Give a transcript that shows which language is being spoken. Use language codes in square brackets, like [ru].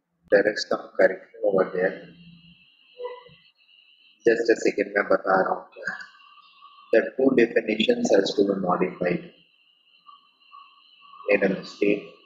[en] there is some correction over there. Just a second, [hi] मैं बता रहा हूँ. [en] The two definitions has to be modified. In a mistake.